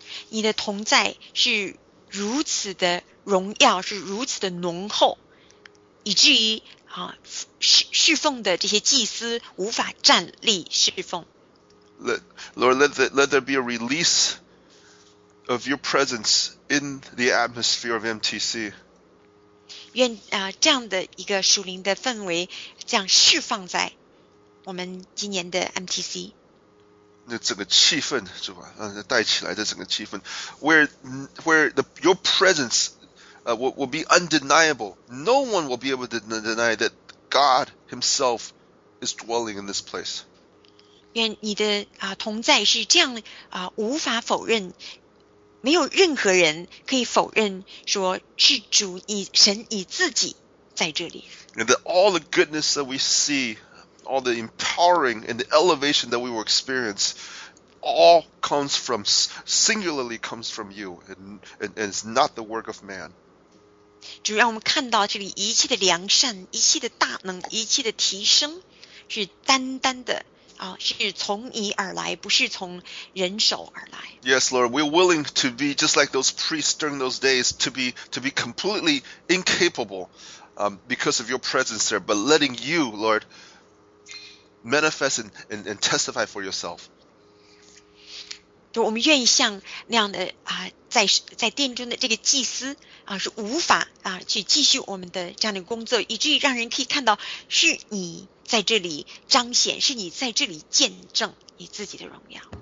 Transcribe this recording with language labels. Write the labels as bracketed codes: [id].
[zh] 你的同在是如此的荣耀，是如此的浓厚，以至于侍奉的这些祭司无法站立侍奉。 [en] Lord, let there be a release of your presence in the atmosphere of MTC. [zh] 愿啊、这样的一个属灵的氛围将释放在我们今年的 MTC。那整个气氛是吧？带起来的整个气氛 [en] ，where the your presence、will be undeniable. No one will be able to deny that God Himself is dwelling in this place. [zh] 愿你的啊、同在是这样啊、无法否认。没有任何人可以否认说是主以神以自己在这里。 [en] And that all the goodness that we see, all the empowering and the elevation that we will experience, all comes from singularly comes from you, and is not the work of man. [zh] 主让我们看到这里一切的良善、一切的大能、一切的提升，是单单的。是从你而来，不是从人手而来。 [en] Yes, Lord, we're willing to be just like those priests during those days, to be completely incapable, because of your presence there, but letting you, Lord, manifest and testify for yourself. [zh] 就我们愿意像那样的啊、在殿中的这个祭司啊、是无法啊、去继续我们的这样的工作，以至于让人可以看到是你。在这里彰显，是你在这里见证你自己的荣耀。